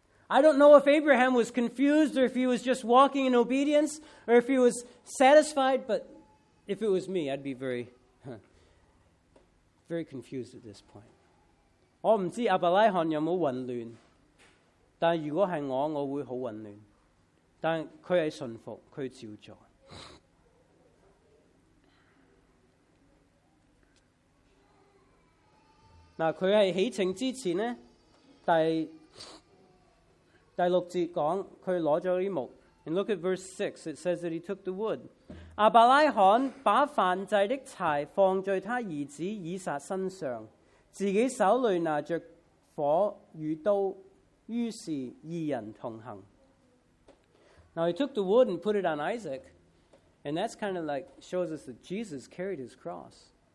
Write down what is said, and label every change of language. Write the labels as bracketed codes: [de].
[en] I don't know if Abraham was confused or if he was just walking in obedience or if he was satisfied, but if it was me, I'd be very, very confused at this point. [zh] 我不知道亚伯拉罕有没有混乱，但如果是我，我会很混乱。但他是顺服，他照做。他是起程之前呢，第六节讲他拿了木。 [en] And look at verse 6, it says that he took the wood. [zh] 亚伯拉罕把燔祭的柴放在他儿子以撒身上，自己手里拿着火与刀，于是二人同行。 [en] Now he took the wood and put it on Isaac, and that's kind of like shows us that Jesus carried his cross.